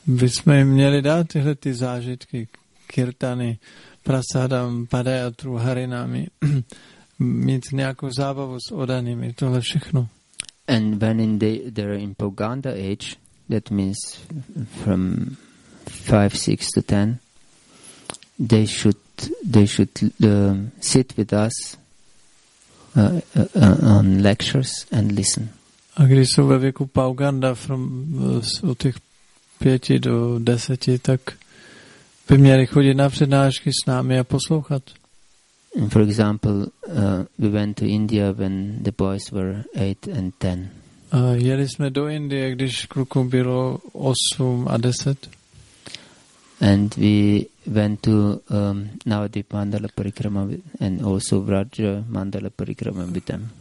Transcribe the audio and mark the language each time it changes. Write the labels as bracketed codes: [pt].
[cs] Bychom jim měli dát tyhle ty zážitky, kirtany, prasadam, padayatru, harinami, mít nějakou zábavu s odanými, tohle všechno. [en] And when in they're in Poganda age, that means from 5, 6 to 10, they should sit with us on lectures and listen. [cs] A když jsou ve věku Pauganda [en] from [cs] od těch 5 [en] to [cs] 10, tak by měli chodit na přednášky s námi a poslouchat. [en] And for example, we went to India when the boys were 8 and 10. [cs] Jeli jsme do Indie, když klukům bylo 8 a 10. [en] And we went to Navadvip Mandala Parikrama and also Vraja Mandala Parikrama with them.